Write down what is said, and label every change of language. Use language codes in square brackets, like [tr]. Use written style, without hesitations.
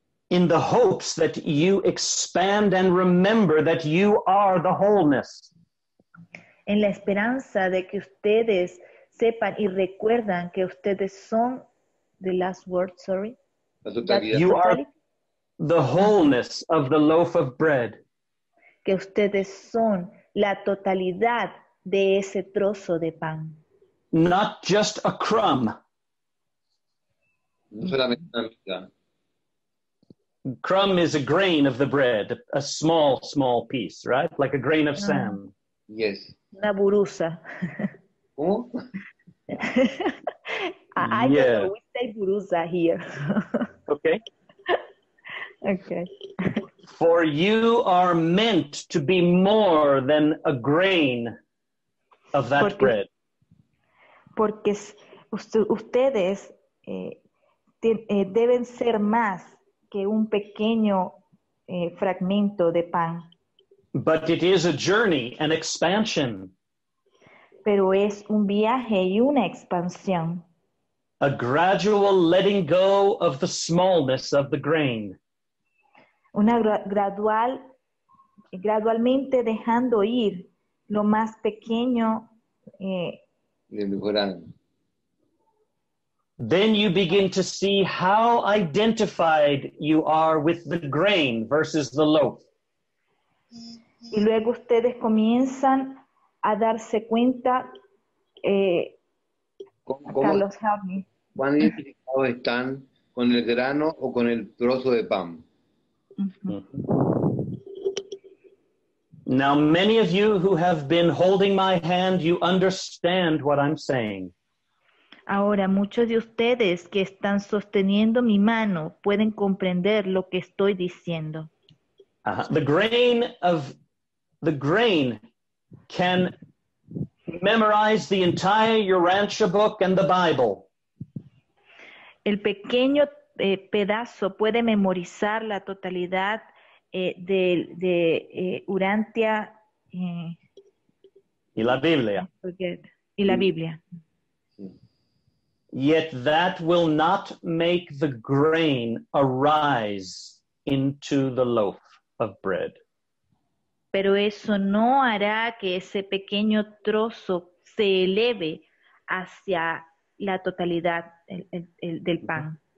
[en] In the hopes that you expand and remember that you are the wholeness. [es] En la esperanza de que ustedes sepan y recuerdan que ustedes son, [en] the last word, sorry. You are the wholeness of the loaf of bread. [es] Que ustedes son la totalidad de ese trozo de pan. [en] Not just a crumb. [es] No solamente una miga. [en] Crumb is a grain of the bread, a small, small piece, right? Like a grain of sand. Yes. [es] Una burusa. ¿Cómo? [en] I don't know. We say burusa here. Okay. Okay. For you are meant to be more than a grain of that bread. [es] Porque ustedes deben ser más que un pequeño fragmento de pan. [en] But it is a journey, an expansion. [es] Pero es un viaje y una expansión. [en] A gradual letting go of the smallness of the grain. [es] Una gradualmente dejando ir lo más pequeño del grano. [en] Then you begin to see how identified you are with the grain versus the loaf. [es] Y luego ustedes comienzan a darse cuenta Carlos, ¿cuán identificados están con el grano o con el trozo de pan? Mm-hmm. [en] Now many of you who have been holding my hand, you understand what I'm saying. [es] Ahora muchos de ustedes que están sosteniendo mi mano pueden comprender lo que estoy diciendo. [en] The grain can memorize the entire Urantia book and the Bible. [es] El pequeño pedazo puede memorizar la totalidad de Urantia y la Biblia. Y la Biblia. [en] Yet that will not make the grain arise into the loaf of bread. [es] Pero eso no hará que ese pequeño trozo se eleve hacia la totalidad del pan.